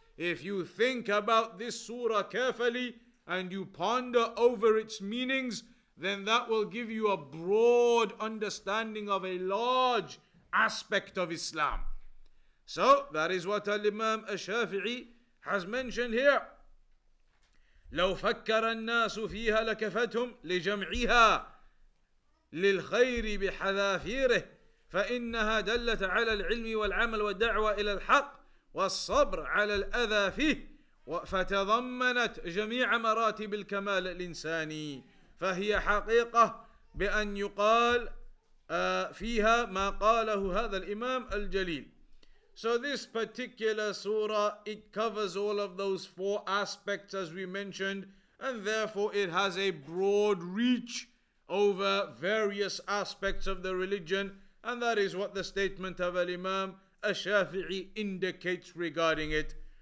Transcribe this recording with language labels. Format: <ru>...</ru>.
<en>If you think about this surah carefully and you ponder over its meanings, then that will give you a broad understanding of a large aspect of Islam. So that is what Al-Imam Ash-Shafi'i has mentioned here.</en> <ar>لَوْ فَكَّرَ النَّاسُ فِيهَا لَكَفَتْهُمْ لِجَمْعِهَا لِلْخَيْرِ بِحَذَافِيرِهِ فَإِنَّهَا دَلَّتْ عَلَى الْعِلْمِ وَالْعَمَلِ وَالدَّعْوَى إِلَى الْحَقِّ وَالصَّبْرِ عَلَى الْأَذَى فِيهِ فتضمنت جميع مراتب الكمال الإنساني فهي حقيقة بأن يقال فيها ما قاله هذا الإمام الجليل.</ar> <en>So this particular surah, it covers all of those four aspects as we mentioned, and therefore it has a broad reach over various aspects of the religion, and that is what the statement of Al-Imam Ash-Shafi'i indicates regarding it.</en>